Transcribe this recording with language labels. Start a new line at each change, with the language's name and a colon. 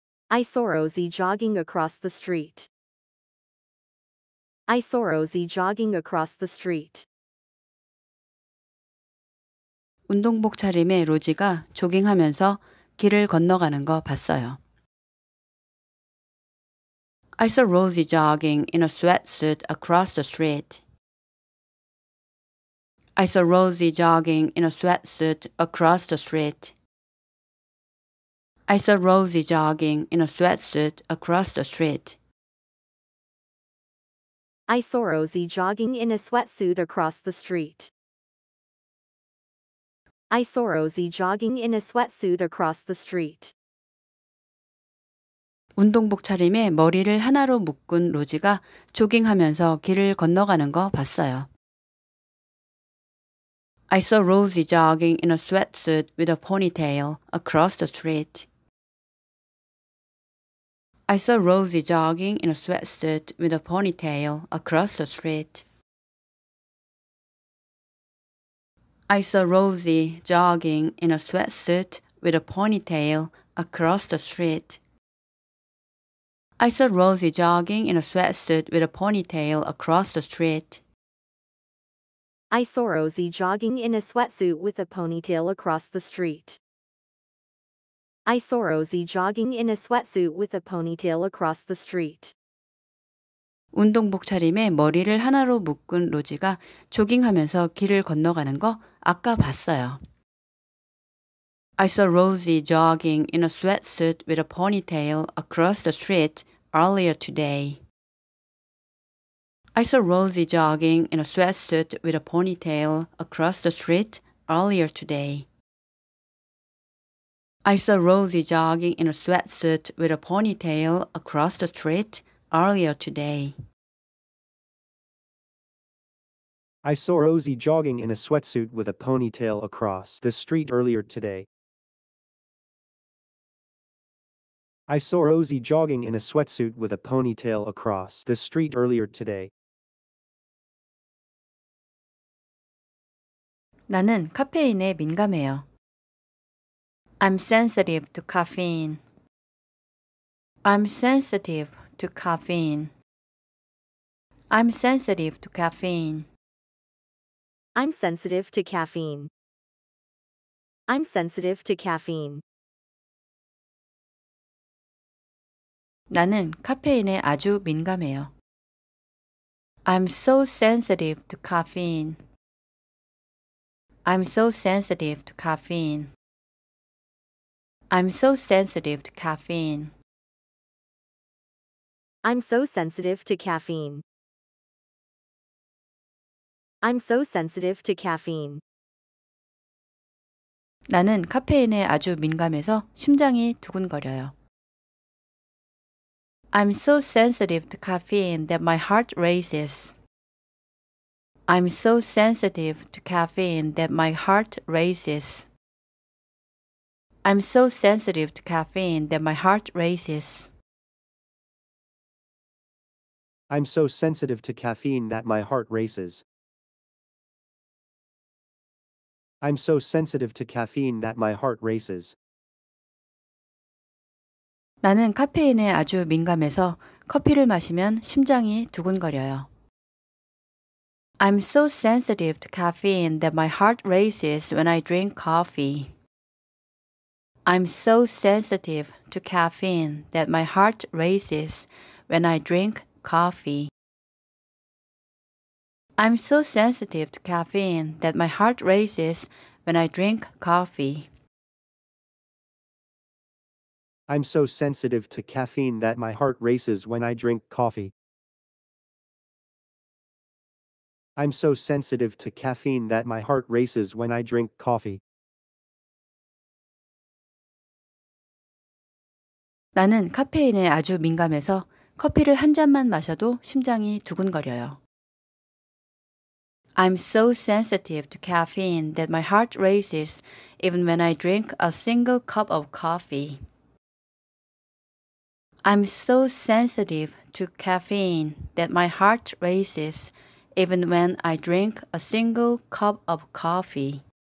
English: I saw Rosy jogging across the street. I saw Rosy jogging across the street.
Korean: 운동복 차림의 로지가 조깅하면서 길을 건너가는 거 봤어요.
English: I saw Rosy jogging in a sweatsuit across the street. I saw Rosy jogging in a sweatsuit across the street. I saw Rosy jogging in a sweatsuit across the street. I saw Rosy jogging in a sweatsuit across the street. I saw Rosy jogging in a sweatsuit across the street.
Korean: 운동복 차림에 머리를 하나로 묶은 로지가 조깅하면서 길을 건너가는 거 봤어요.
English: I saw Rosy jogging in a sweatsuit with a ponytail across the street. I saw Rosy jogging in a sweatsuit with a ponytail across the street. I saw Rosy jogging in a sweatsuit with a ponytail across the street. I saw Rosy jogging in a sweatsuit with a ponytail across the street. I saw Rosy jogging in a sweatsuit with a ponytail across the street. I saw Rosy jogging in a sweatsuit with a ponytail across the street.
Korean: 운동복 차림에 머리를 하나로 묶은 로지가 조깅하면서 길을 건너가는 거 아까 봤어요.
English: I saw Rosy jogging in a sweatsuit with a ponytail across the street earlier today. I saw Rosy jogging in a sweatsuit with a ponytail across the street earlier today. I saw Rosy jogging in a sweatsuit with a ponytail across the street earlier today. I saw Rosy jogging in a sweatsuit with a ponytail across the street earlier today. I saw Rosy jogging in a sweatsuit with a ponytail across the street earlier today.
Korean: 나는 카페인에 민감해요.
English: I'm sensitive to caffeine. I'm sensitive to caffeine. I'm sensitive to caffeine. I'm sensitive to caffeine. I'm sensitive to caffeine.
Korean: 나는 카페인에 아주 민감해요.
English: I'm so sensitive to caffeine. I'm so sensitive to caffeine. I'm so sensitive to caffeine. I'm so sensitive to caffeine. I'm so sensitive to caffeine.
Korean: 나는 카페인에 아주 민감해서 심장이 두근거려요.
English: I'm so sensitive to caffeine that my heart races. I'm so sensitive to caffeine that my heart races. I'm so sensitive to caffeine that my heart races. I'm so sensitive to caffeine that my heart races. I'm so sensitive to caffeine that my heart races.
Korean: 나는 카페인에 아주 민감해서 커피를 마시면 심장이 두근거려요.
English: I'm so sensitive to caffeine that my heart races when I drink coffee. I'm so sensitive to caffeine that my heart races when I drink coffee. I'm so sensitive to caffeine that my heart races when I drink coffee. I'm so sensitive to caffeine that my heart races when I drink coffee. I'm so sensitive to caffeine that my heart races when I drink coffee.
Korean: 나는 카페인에 아주 민감해서 커피를 한 잔만 마셔도 심장이 두근거려요.
English: I'm so sensitive to caffeine that my heart races even when I drink a single cup of coffee. I'm so sensitive to caffeine that my heart races even when I drink a single cup of coffee.